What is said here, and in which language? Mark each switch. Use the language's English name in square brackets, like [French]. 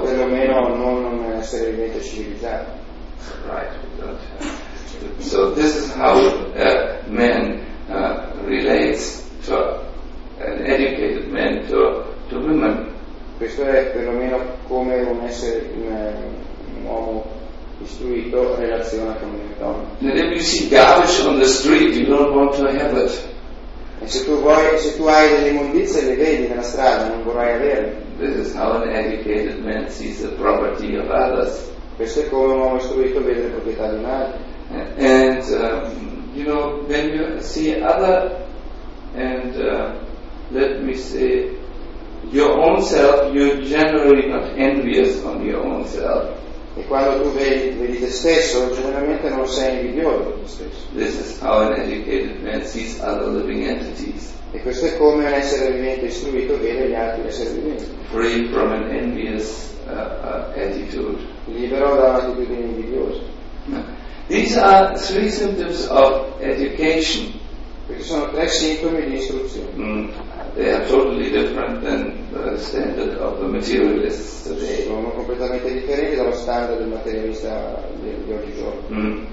[Italian] perlomeno non essere diventato civilizzato. [English] Right. So this is how a man relates to an educated man to women. [Italian] Questo è perlomeno come un essere un uomo istruito relaziona con le donne. [English] If you see garbage on the street, you don't want to have it. [Italian] E se tu vuoi, se tu hai delle immondizie e le vedi nella strada, non vorrai averle. [English] This is how an educated man sees the property of others. [Italian] Questo è come un uomo istruito vede le proprietà di un altro. [English] And you know, when you see other and let me say your own self, you're generally not envious on your own self. [Italian] E quando tu vedi te stesso, generalmente non sei invidioso di te stesso. [English] This is how an educated man sees other living entities. [Italian] E questo è come un essere vivente istruito vede gli altri esseri viventi. [English] Free from an envious attitude. [Italian] Libero da un'attitudine invidiosa. [English] These are three symptoms of education. [Italian] Perché sono tre sintomi di istruzione. [English] They are totally different than the standard of the materialists today. [Italian] Sono completamente differenti dallo standard del materialista di oggi giorno.